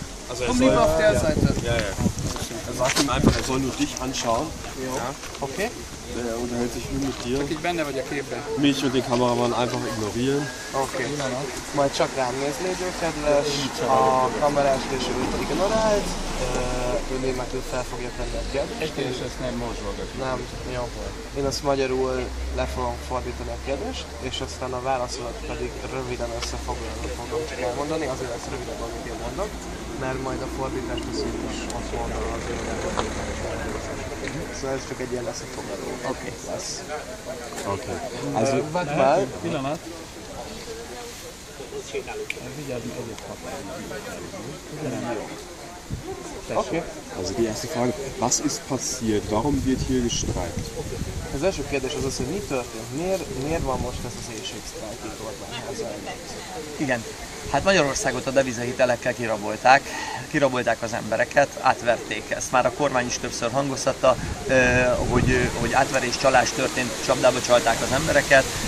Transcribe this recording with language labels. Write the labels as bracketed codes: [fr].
[de] Also er soll auf der Seite. Ja, ja. Er sagt ihm einfach, er soll nur dich anschauen. Ja. Okay. Der unterhält sich nur mit dir. Okay, ich bin aber der Käfer. Mich und den Kameramann einfach ignorieren. Okay. [hu] Majd csak rám nézni, kedves. A kamerás később ignorált. Ő németül fel fogja tenni a kérdést. És ezt nem most fogja. Nem, jó. Én azt magyarul le fogom fordítani a kérdést, és aztán a válaszolat pedig röviden összefoglalva fogom csak elmondani. Azért lesz röviden, amit én mondok. Mert majd a fordítást viszont is azt mondom az életet. Szóval ez csak egy ilyen lesz a foglaló. Oké. Lesz. Oké. Ez ő... Várj már! Pillanat! Oké. [de] Also die erste Frage, was ist passiert? Warum wird hier gestreikt? [hu] Az első kérdés az az, hogy mi történt? Miért van most ez az éjségsztrájk itt Orbánházal? Igen. Hát Magyarországot a devizahitelekkel kirabolták. Kirabolták az embereket, átverték ezt. Már a kormány is többször hangoztatta, hogy átverés, csalás történt, csapdába csalták az embereket.